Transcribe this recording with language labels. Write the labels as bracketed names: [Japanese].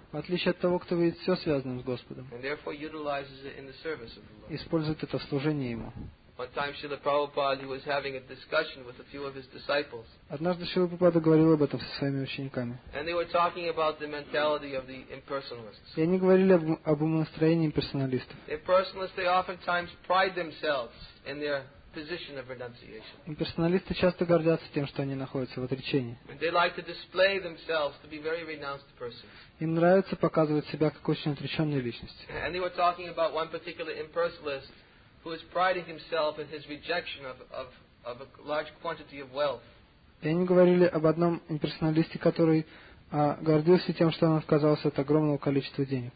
[Russian] В отличие от того, кто видит все связанным с Господом. [English] And therefore utilizes it in the service of the Lord. [Russian] Использует это в служении ему. [English] One time Srila Prabhupada was having a discussion with a few of his disciples. [Russian] Однажды Шрила Прабхупада говорил об этом со своими учениками. [English] And they were talking about the mentality of the impersonalists. [Russian] И они говорили об умонастроении имперсоналистов. [English] Impersonalists, they oftentimes pride themselves in their position of renunciation. [Russian] Имперсоналисты часто гордятся тем, что они находятся в отречении. [English] They like to display themselves to be very renounced persons. [Russian] Им нравится показывать себя как очень отреченные личности. [English] And they were talking about one particular impersonalist who is priding himself in his rejection of a large quantity of wealth. [Russian] И они говорили об одном имперсоналисте, который гордился тем, что он отказался от огромного количества денег.